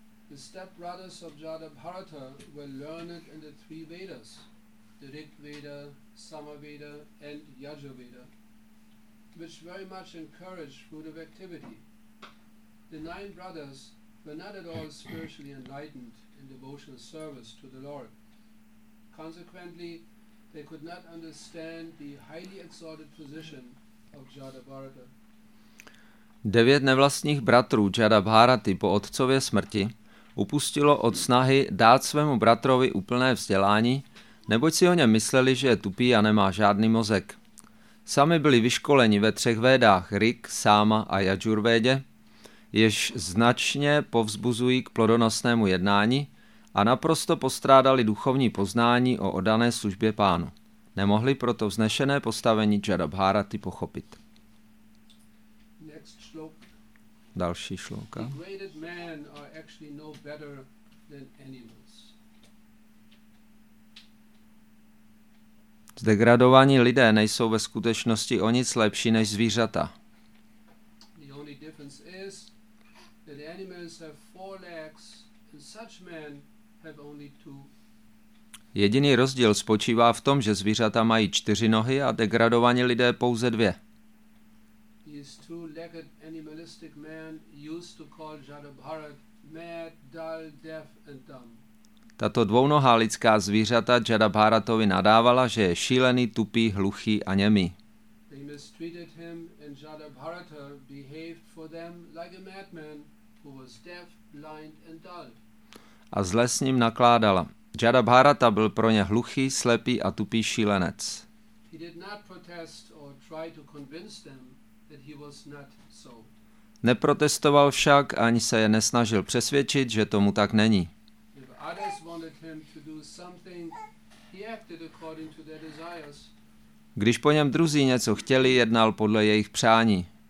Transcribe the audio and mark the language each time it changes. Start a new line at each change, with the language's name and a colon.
English: The stepbrothers of Jatabharata were learned in the three Vedas, the Rig Veda, Sama Veda, and Yajur Veda, which very much encouraged fruitive activity. The nine brothers were not at all spiritually enlightened in devotional service to the Lord. Consequently, they could not understand the highly exalted position of Jatabharata.
Czech: Devět nevlastních bratrů Jatabharaty po otcově smrti upustilo od snahy dát svému bratrovi úplné vzdělání, neboť si o něm mysleli, že je tupý a nemá žádný mozek. Sami byli vyškoleni ve třech védách Rig, Sama a Yajurvédě, jež značně povzbuzují k plodonosnému jednání a naprosto postrádali duchovní poznání o oddané službě pánu. Nemohli proto vznešené postavení Jatabharaty pochopit. Další šloka.
English: Degraded men are actually no better than animals.
Czech: Zdegradovaní lidé nejsou ve skutečnosti o nic lepší než zvířata.
English: The only difference is that animals have four legs and such men have only two.
Czech: Jediný rozdíl spočívá v tom, že zvířata mají čtyři nohy a degradovaní lidé pouze dvě.
English: These two-legged animalistic men used to call Jatabharata mad, dull, deaf and dumb.
Czech: Tato dvounohá lidská zvířata Jatabharatovi nadávala, že je šílený, tupý, hluchý a němý.
English: They mistreated him and Jatabharata behaved for them like a madman who was deaf, blind and dull.
Czech: A zle s ním nakládala. Jatabharata byl pro ně hluchý, slepý a tupý šílenec.
English: He did not protest or try to convince them that he was not so.
Czech: Neprotestoval však ani se je nesnažil přesvědčit, že tomu tak není.
English: If others wanted him to do something, he acted according to their desires.
Czech: Když po něm druzí něco chtěli, jednal podle jejich přání.